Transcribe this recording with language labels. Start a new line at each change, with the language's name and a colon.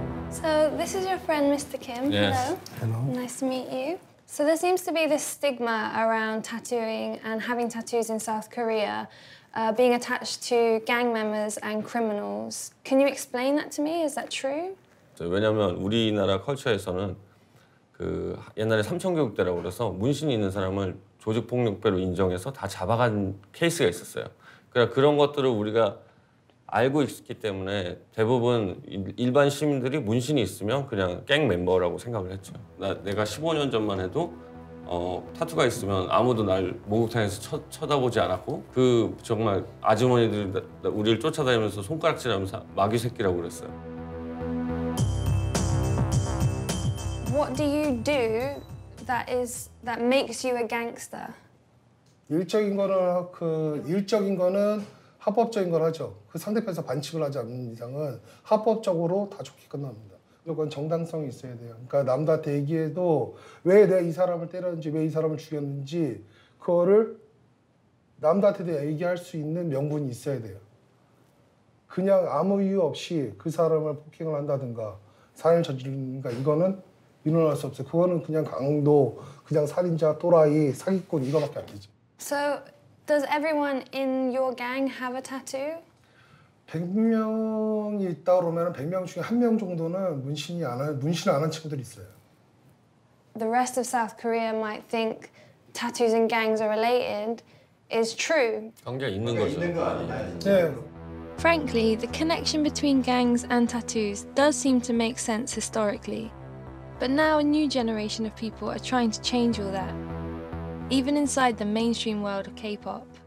English: So this is your friend, Mr. Kim. Yes. Hello. Nice to meet you. So there seems to be this stigma around tattooing and having tattoos in South Korea, being attached to gang members and criminals. Can you explain that to me? Is that true?
Korean: 왜냐하면 우리나라 컬처에서는 그 옛날에 삼천교육대라고 그래서 문신이 있는 사람을 조직폭력배로 인정해서 다 잡아간 케이스가 있었어요. 그래서 그런 것들을 우리가 알고 있기 때문에 대부분 일반 시민들이 문신이 있으면 그냥 갱 멤버라고 생각을 했죠. 내가 15년 전만 해도 타투가 있으면 아무도 날 목욕탕에서 쳐다보지 않았고 그 정말 아주머니들이 우리를 쫓아다니면서 손가락질하면서 마귀새끼라고 그랬어요.
English: What do you do that makes you a gangster?
Korean: 일적인 거는 합법적인 걸 하죠. 그 상대편에서 반칙을 하지 않는 이상은 합법적으로 다 좋게 끝납니다. 그건 정당성이 있어야 돼요. 그러니까 남들한테 얘기해도 왜 내가 이 사람을 때렸는지 왜 이 사람을 죽였는지 그거를 남들한테도 얘기할 수 있는 명분이 있어야 돼요. 그냥 아무 이유 없이 그 사람을 폭행을 한다든가 살인을 저지르는가 이거는 일어날 수 없어요. 그거는 그냥 강도, 그냥 살인자, 또라이, 사기꾼 이거밖에 안 되죠.
English: So, does everyone in your gang have a tattoo?
Korean: 100명이 있다 그러면 100명 중에 한 명 정도는 문신이 안 한 문신을 안 한 친구들이 있어요.
English: The rest of South Korea might think tattoos and gangs are related. Is true.
Korean: 관계가 있는 거죠. 있는 거 아니에요. 네.
English: Frankly, the connection between gangs and tattoos does seem to make sense historically. But now a new generation of people are trying to change all that, even inside the mainstream world of K-pop.